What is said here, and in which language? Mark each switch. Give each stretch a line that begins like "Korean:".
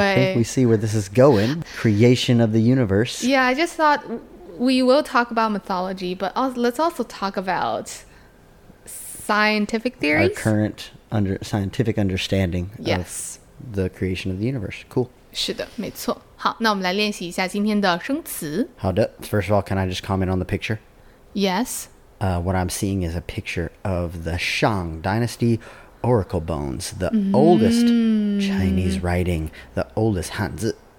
English: I think we see where this is going. Creation of the universe. Yeah, I just thought we will talk about mythology, but also, let's also talk about scientific theories. Our current scientific understanding of the creation of the universe. Cool.
Chinese: 是的,没错。好,那我们来练习一下今天的生词。好的。
English: First of all, can I just comment on the picture? Yes. What I'm seeing is a picture of the Shang Dynasty,Oracle bones, the oldest Chinese writing, the oldest Hanzi.